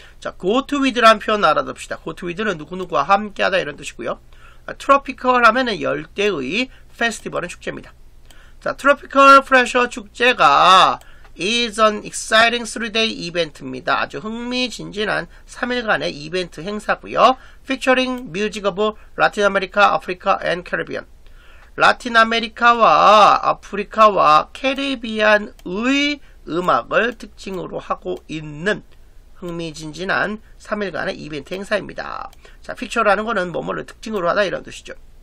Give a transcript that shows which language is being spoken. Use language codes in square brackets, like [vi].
[ko] 자, go to with라는 표현 알아둡시다. go to with는 누구누구와 함께하다 이런 뜻이고요. tropical 하면은 열대의, festival은 축제입니다. [en] 자, tropical pressure 축제가 is an exciting 3-day event입니다. [ko] 아주 흥미진진한 3일간의 이벤트 행사고요. [en] featuring music of Latin America, Africa and Caribbean. [ko] 라틴 아메리카와 아프리카와 캐리비안의 음악을 특징으로 하고 있는 흥미진진한 3일간의 이벤트 행사입니다. 자, 피처라는 거는 뭐뭐를 특징으로 하다 이런 뜻이죠.